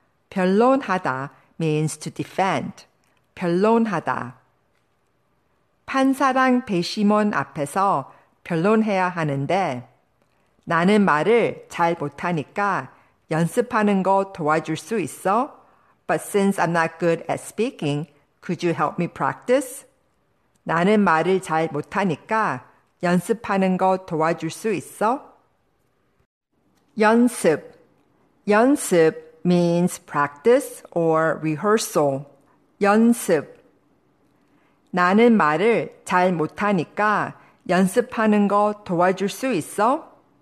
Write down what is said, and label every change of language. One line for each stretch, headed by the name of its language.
English: 변론하다 means to defend. 변론하다.
Korean: 판사랑 배심원 앞에서 변론해야 하는데 나는 말을 잘 못하니까 연습하는 거 도와줄 수 있어?
English: But since I'm not good at speaking, could you help me practice?
Korean: 나는 말을 잘 못하니까 연습하는 거 도와줄 수 있어?
English: 연습. 연습 means practice or rehearsal. 연습.
Korean: 나는 말을 잘 못하니까 연습하는 거 도와줄 수 있어?